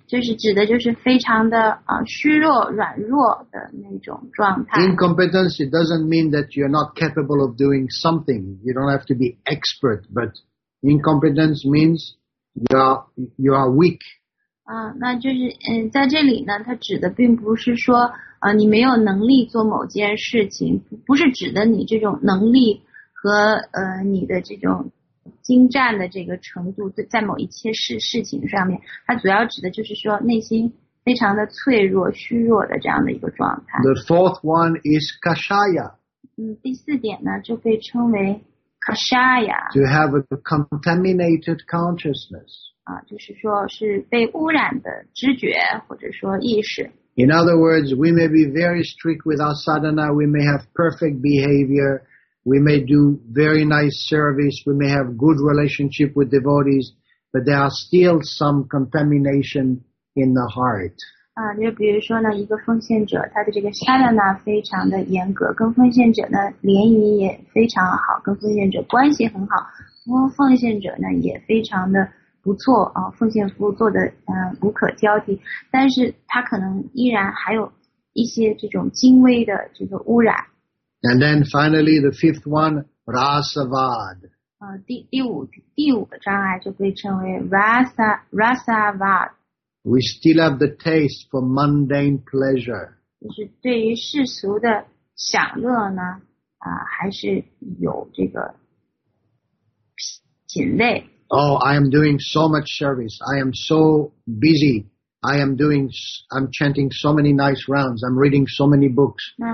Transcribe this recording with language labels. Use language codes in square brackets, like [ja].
[zh] 就是指的就是非常的、虚弱软弱的那种状态。 [en] Incompetence, it doesn't mean that you're not capable of doing something. You don't have to be expert, but incompetence means you are weak.、 [zh] 那就是、在这里呢它指的并不是说你没有能力做某件事情，不是指的你这种能力和你的这种精湛的这个程度在某一些事情上面，它主要指的就是说内心非常的脆弱虚弱的这样的一个状态。 [en] The fourth one is Kashaya. [zh] 第四点呢就被称为 Kashaya. [en] To have a contaminated consciousness. [zh] 就是说是被污染的知觉或者说意识。 [en] In other words, we may be very strict with our sadhana, we may have perfect behavior, we may do very nice service, we may have good relationship with devotees, but there are still some contamination in the heart. [zh] 就比如说呢，一个奉献者，他的这个 sadhana 非常的严格，跟奉献者呢联谊也非常好，跟奉献者关系很好，奉献者呢也非常的不错、奉献服务做得、无可挑剔，但是他可能依然还有一些这种精微的这个污染。 [en] And then finally the fifth one, Rasavad.、 [zh] 第五个障碍就被称为 Rasavad. [en] We still have the taste for mundane pleasure. [zh] 就是对于世俗的享乐呢、还是有这个品味。 [en] Oh, I am doing so much service. I am so busy. I'm chanting so many nice rounds. I'm reading so many books.